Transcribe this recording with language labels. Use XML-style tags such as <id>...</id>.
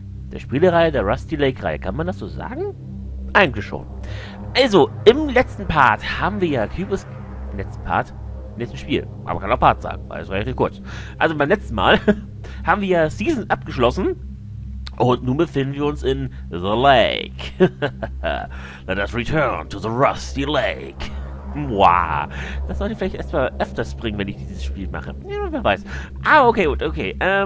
<de>Der Spielereihe der Rusty Lake Reihe, kann man das so sagen? Eigentlich schon. Also, im letzten Part haben wir ja Cube Escape. Im letzten Part? Im letzten Spiel. Aber man kann auch Part sagen, weil es war relativ kurz. Also beim letzten Mal haben wir ja Season abgeschlossen. Und nun befinden wir uns in The Lake.</de> <en>Let us return to the Rusty Lake. Mwah.</en> <de>Das sollte ich vielleicht erstmal öfters bringen, wenn ich dieses Spiel mache. Ja, wer weiß. Ah, okay, gut, okay.</de>